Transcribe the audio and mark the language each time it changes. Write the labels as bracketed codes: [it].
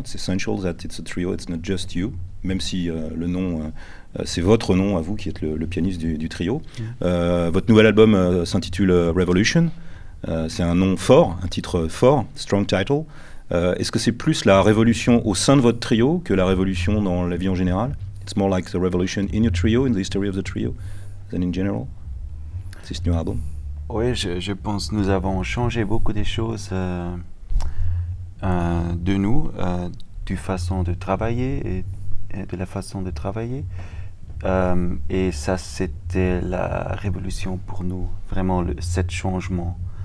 [en] It's essential that it's a trio, it's not just you. [fr] Même si le nom, c'est votre nom à vous qui êtes le pianiste du trio. Votre nouvel album s'intitule Revolution. C'est un nom fort, un titre fort, [en] strong title. [fr] Est-ce que c'est plus la révolution au sein de votre trio que la révolution dans la vie en général? [en] It's more like the revolution in your trio, in the history of the trio, than in general, this new album. [fr] Oui, je pense que nous avons changé beaucoup de choses de nous, de façon de travailler et de la façon de travailler. Et ça, c'était la révolution pour nous, vraiment ce changement.